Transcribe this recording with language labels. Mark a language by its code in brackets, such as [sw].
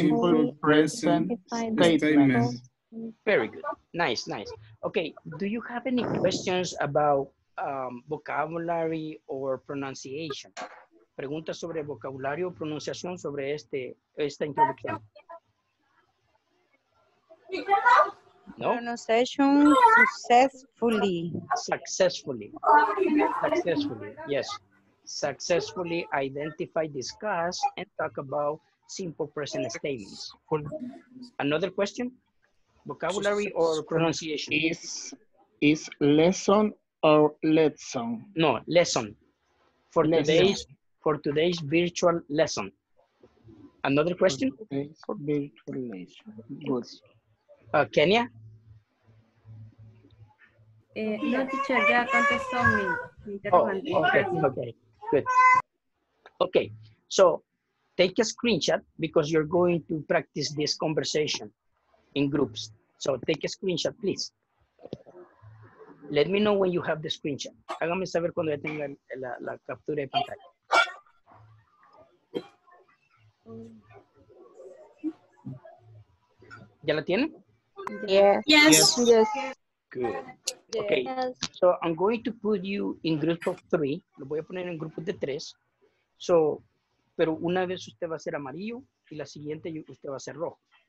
[en] Very good. Nice. Okay. Do you have any questions about vocabulary or pronunciation. [es] Pregunta sobre vocabulario o pronunciación sobre este esta introducción. [en] No. Pronunciation successfully. Successfully. Successfully. Yes. Successfully identify, discuss, and talk about simple present statements. Another question? Vocabulary or pronunciation? Is lesson or lesson? No, lesson. For lesson. Today's for today's virtual lesson. Another question? For virtual lesson. Kenya? [es] No, teacher, ya contestó mi interrogante. Okay. Good. [en] Okay, so take a screenshot because you're going to practice this conversation in groups. So take a screenshot, please. Let me know when you have the screenshot. [es] Hágame saber cuando ya tenga la captura de pantalla. ¿Ya la tiene? [en] Yes. Good. Okay, so I'm going to put you in group of three. [es] Lo voy a poner en grupo de tres. So, pero una vez usted va a ser amarillo y la siguiente usted va a ser rojo.